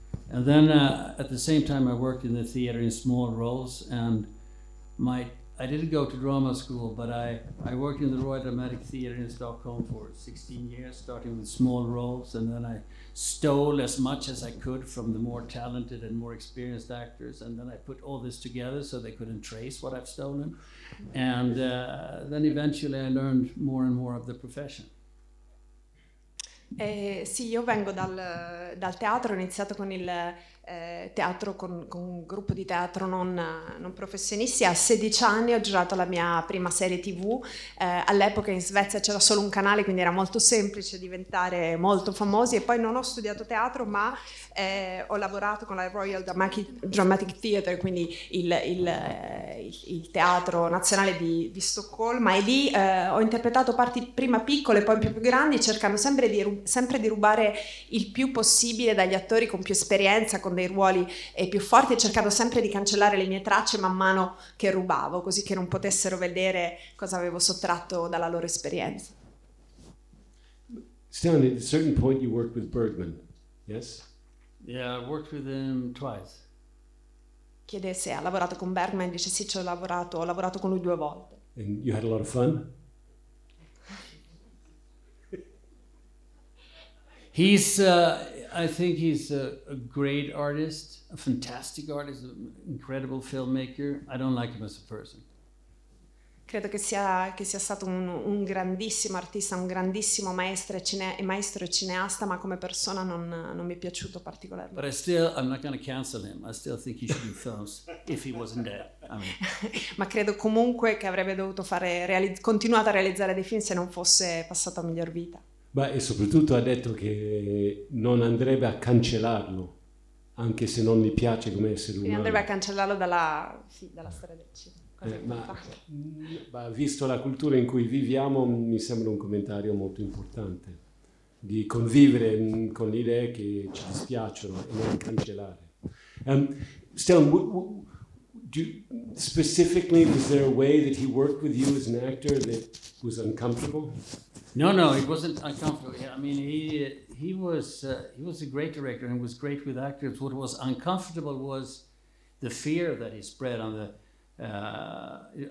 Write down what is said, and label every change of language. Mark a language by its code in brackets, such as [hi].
[en] And then at the same time, I worked in the theater in small roles, and I didn't go to drama school, but I worked in the Royal Dramatic Theater in Stockholm for 16 years, starting with small roles, and then I stole as much as I could from the more talented and more experienced actors, and then I put all this together so they couldn't trace what I've stolen. And then eventually I learned more and more of the profession. [it] Sì, io vengo dal teatro, ho iniziato con il teatro, con un gruppo di teatro non professionisti. A 16 anni ho girato la mia prima serie TV. All'epoca in Svezia c'era solo un canale, quindi era molto semplice diventare molto famosi. E poi non ho studiato teatro, ma ho lavorato con la Royal Dramatic Theatre, quindi il teatro nazionale di Stoccolma. E lì ho interpretato parti prima piccole e poi più grandi, cercando sempre di rubare il più possibile dagli attori con più esperienza, con dei ruoli più forti, cercando sempre di cancellare le mie tracce man mano che rubavo, così che non potessero vedere cosa avevo sottratto dalla loro esperienza. [en] Stan, at a certain point you worked with Bergman, yes? Yeah, I worked with him twice. [it] Chiede se ha lavorato con Bergman, dice sì, ho lavorato con lui due volte. [en] And you had a lot of fun? I think he's a great artist, a fantastic artist, an incredible filmmaker. I don't like him as a person. [it] Credo che sia stato un grandissimo artista, un grandissimo maestro e cineasta, ma come persona non mi è piaciuto particolarmente. [en] But I'm not going to cancel him. I still think he should do films if he wasn't dead. [it] Ma credo comunque che avrebbe dovuto continuare a realizzare dei film se non fosse passato a miglior vita. Ma e soprattutto ha detto che non andrebbe a cancellarlo, anche se non gli piace come essere umano. E andrebbe a cancellarlo dalla storia del cinema. Ma visto la cultura in cui viviamo, mi sembra un commentario molto importante, di convivere con le idee che ci dispiacciono e non cancellare. [en] Stan, specifically, was there a way that he worked with you as an actor that was uncomfortable? No, it wasn't uncomfortable. I mean, he was a great director and was great with actors. What was uncomfortable was the fear that he spread on the...